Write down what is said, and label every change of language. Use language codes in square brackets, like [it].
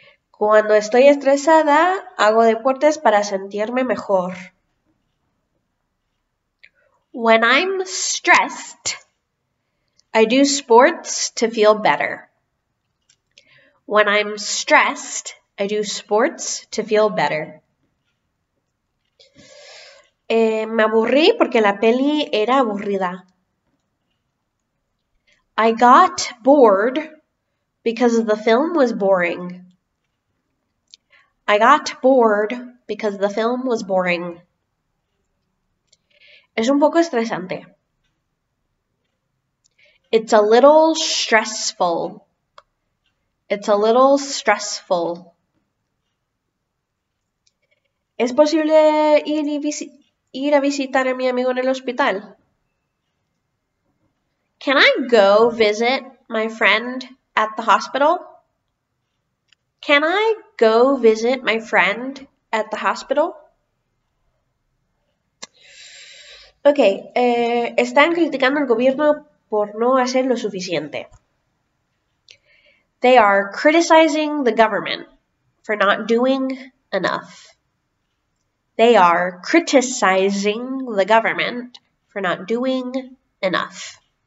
[es] Cuando estoy estresada, hago deportes para sentirme mejor. [en] When I'm stressed, I do sports to feel better. When I'm stressed, I do sports to feel better. [es] Me aburrí porque la peli era aburrida. [en] I got bored because the film was boring. I got bored because the film was boring. [es] Es un poco estresante. [en] It's a little stressful. It's a little stressful. [es] ¿Es posible ir y visitar? Ir a visitar a mi amigo en el hospital. [en] Can I go visit my friend at the hospital? Can I go visit my friend at the hospital? [es] Okay, están criticando al gobierno por no hacer lo suficiente. [en] They are criticizing the government for not doing enough. They are criticizing the government for not doing enough.